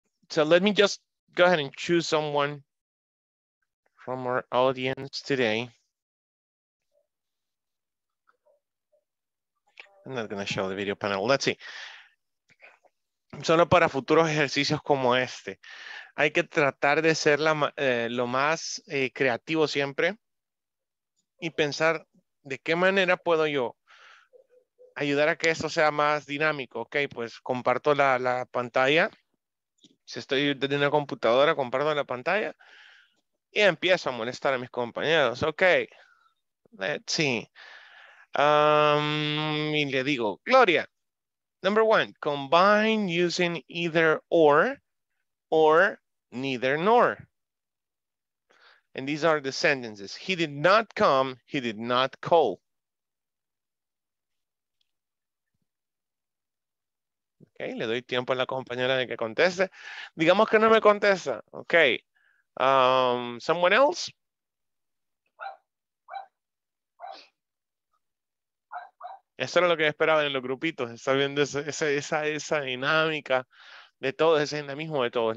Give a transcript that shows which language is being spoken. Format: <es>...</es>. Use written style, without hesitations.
<en>So let me just go ahead and choose someone from our audience today. I'm not gonna show the video panel, let's see.</en> <es>Solo para futuros ejercicios como este. Hay que tratar de ser la, lo más creativo siempre y pensar de qué manera puedo yo ayudar a que esto sea más dinámico. Ok, pues comparto la, la pantalla. Si estoy desde una computadora, comparto la pantalla y empiezo a molestar a mis compañeros.</es> <en>Ok, let's see.</en> <es>Y le digo,</es> <en>Gloria, number one, combine using either or neither nor. And these are the sentences. He did not come, he did not call.</en> <es>Ok, le doy tiempo a la compañera de que conteste. Digamos que no me contesta.</es> <en>Ok, someone else.</en> <es>Eso era lo que esperaban en los grupitos. Están viendo esa, esa, esa, esa dinámica de todos, ese dinamismo de todos.</es>